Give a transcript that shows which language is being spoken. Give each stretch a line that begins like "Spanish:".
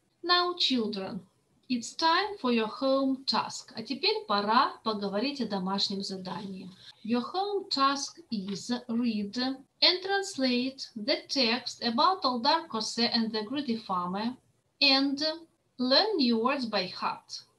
English: Now, children, it's time for your home task.
Russian: А теперь пора поговорить о домашнем задании.
English: Your home task is read and translate the text about Aldar Kose and the greedy farmer and learn new words by heart.